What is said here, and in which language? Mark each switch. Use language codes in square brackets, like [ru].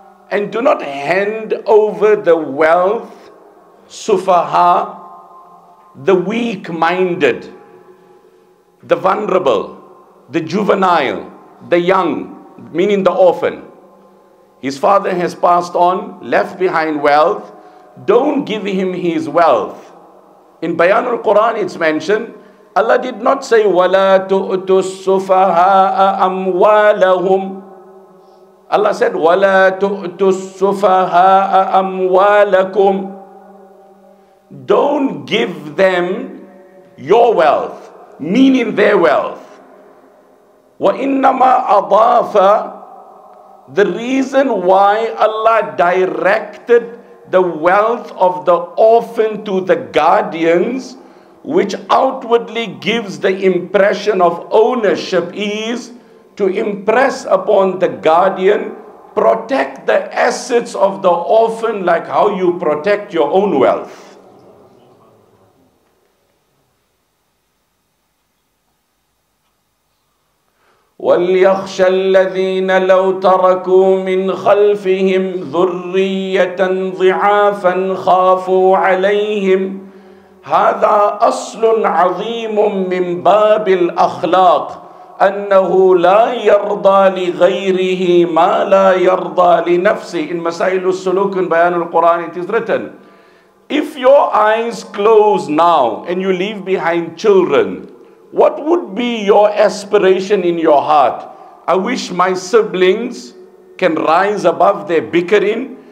[en] And do not hand over the wealth, sufaha, the weak-minded, the vulnerable, the juvenile, the young, meaning the orphan. His father has passed on, left behind wealth. Don't give him his wealth. In Bayan al-Quran, it's mentioned, Allah did not say, [ar] وَلَا تُؤْتُ السُّفَهَاءَ أَمْوَالَهُمْ. [en] Allah said, [ar] وَلَا تُؤْتُ السُّفَهَاءَ أَمْوَالَكُمْ. [en] Don't give them your wealth, meaning their wealth. [ar] وَإِنَّمَا أَضَافَ. [en] The reason why Allah directed the wealth of the orphan to the guardians, which outwardly gives the impression of ownership, is to impress upon the guardian, protect the assets of the orphan like how you protect your own wealth. [ar] وَلْيَخْشَ الَّذِينَ لَوْ تَرَكُوا مِنْ خَلْفِهِمْ ذُرِّيَّةً ضِعَافًا خَافُوا عَلَيْهِمْ. هذا أصل عظيم من باب الأخلاق، أنه لا يرضى لغيره ما لا يرضى لنفسه. [en] In مسائل السلوك in بيان القرآن it is written, if your eyes close now and you leave behind children, what would be your aspiration in your heart? I wish my siblings can rise above their bickering.